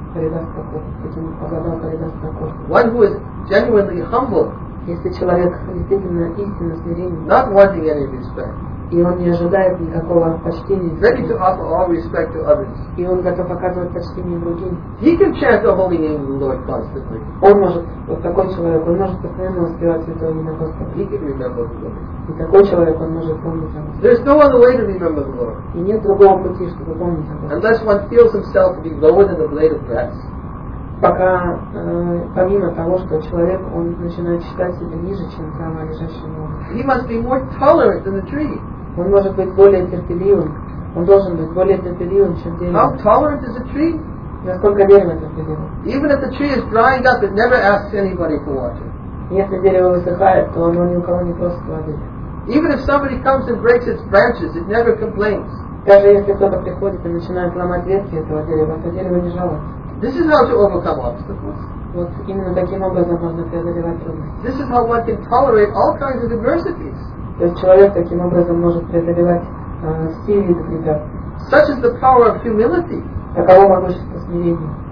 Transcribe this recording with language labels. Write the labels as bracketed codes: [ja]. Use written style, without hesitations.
[en] One who is genuinely humble, [ru] если человек действительно истинно смиренен, [en] not wanting any respect, [ru] и он не ожидает никакого почтения, [en] ready to offer all respect to others, [ru] и он готов оказывать почтение другим, [en] he can chant the holy name of the Lord constantly. [ru] Он может, вот такой человек, он может постоянно воспевать святое имя Господа. [en] He can remember the Lord. [ru] И такой человек, он может помнить о Господе. [en] There is no other way to remember the Lord. [ru] И нет другого пути, чтобы помнить о Господе. [en] Unless one feels himself to be lower than a blade of grass. [ru] Пока, помимо того, что человек, он начинает считать себя ниже, чем трава, лежащая на земле. [en] He must be more tolerant than the tree. [ru] Он может быть более терпеливым. Он должен быть более терпеливым, чем дерево. [en] How tolerant is a tree? [ru] Насколько дерево терпеливо? [en] Even if the tree is drying up, it never asks anybody for water. [ru] Если дерево высыхает, то оно ни у кого не просит воды. [en] Even if somebody comes and breaks its branches, it never complains. [ru] Даже если кто-то приходит и начинает ломать ветки этого дерева, то дерево не жалуется. [en] This is how to overcome obstacles. [ru] Вот именно таким образом можно преодолевать трудности. [en] This is how one can tolerate all kinds of adversities. [ru] То есть человек таким образом может преодолевать все виды препятствий. [en] Such is the power of humility. [ru] Таково могущество смирения.